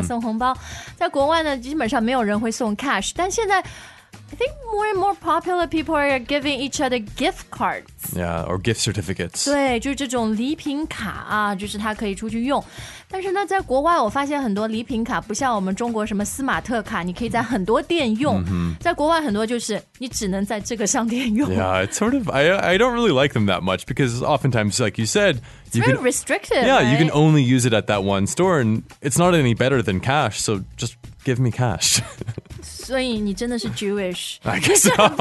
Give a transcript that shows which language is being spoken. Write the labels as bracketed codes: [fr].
[zh] 送红包，在国外呢，基本上没有人会送 cash， 但现在。 [en] I think more and more popular people are giving each other gift cards. Yeah, or gift certificates. [zh] 对，就是这种礼品卡啊，就是它可以出去用。但是呢，在国外我发现很多礼品卡不像我们中国什么斯马特卡，你可以在很多店用。在国外很多就是你只能在这个商店用。 [en] Yeah, it's sort of, I don't really like them that much because oftentimes, like you said, It's very restrictive, Yeah, right? you can only use it at that one store and it's not any better than cash, so just give me cash. [zh] 所以你真的是 Jewish. [en] I guess so.